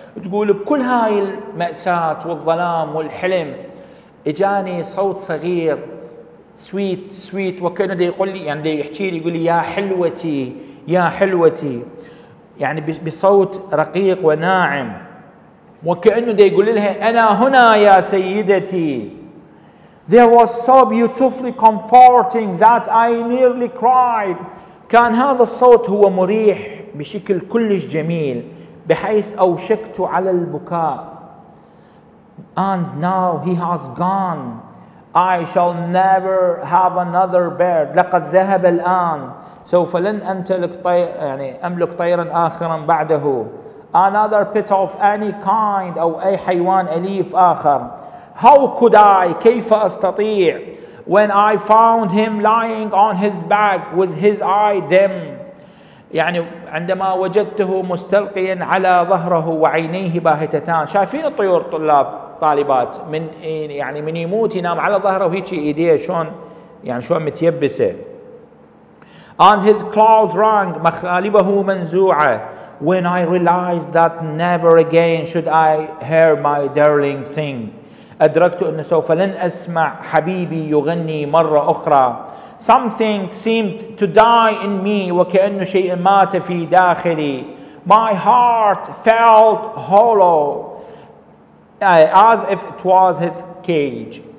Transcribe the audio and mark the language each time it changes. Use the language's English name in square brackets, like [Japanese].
[Arabic] تقول بكل هاي المأساة والظلام والحلم اجاني صوت صغير sweet وكأنه دي يقول لي يعني دي يحكي لي يقول لي يا حلوتي يعني بصوت رقيق وناعم وكأنه دي يقول لها أنا هنا يا سيدتي. [English] There was so beautifully comforting that I nearly cried. [Arabic] كان هذا الصوت هو مريح بشكل كلش جميل بحيث أوشكت على البكاء. [English] And now he has gone. I shall never have another bird. [Arabic] لقد ذهب الآن. سوف لن أمتلك أملك طيرا آخرا بعده. [English] Another pet of any kind [Arabic] أو أي حيوان أليف آخر. [English] How could I [Arabic] كيف أستطيع [English] when I found him lying on his back with his eye dim. [Arabic] يعني عندما وجدته مستلقيا على ظهره وعينيه باهتتان. شايفين الطيور طلاب طالبات من يعني من يموت ينام على ظهره وهيك إيديه شون يعني شون متيبسة. [English] And his claws rang, [Arabic] مخالبه منزوعة. [English] When I realized that never again should I hear my darling sing. [Arabic] أدركت أن سوف لن أسمع حبيبي يغني مرة أخرى. [English] Something seemed to die in me, [Arabic] وكأنه شيء مات في داخلي. [English] My heart felt hollow, as if it was his cage.